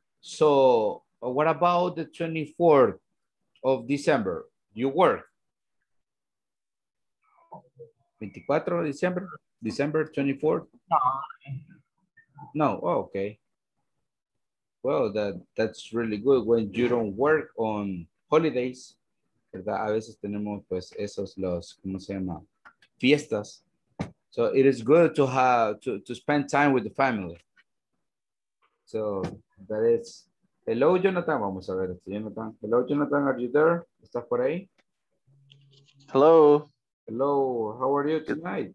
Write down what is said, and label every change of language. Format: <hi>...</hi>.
<en>So, what about the 24th of December? You work? 24 of December? December 24th? No. No, oh, okay. Well, that's really good when you don't work on holidays,</en> <es>¿verdad? A veces tenemos pues esos los, ¿cómo se llama? Fiestas.</es> <en>So it is good to have to spend time with the family. So that is, hello Jonathan,</en> <es>vamos a ver esto, Jonathan.</es> <en>Hello Jonathan, are you there?</en> <es>¿Estás por ahí?</es> <en>Hello. Hello, how are you tonight?</en>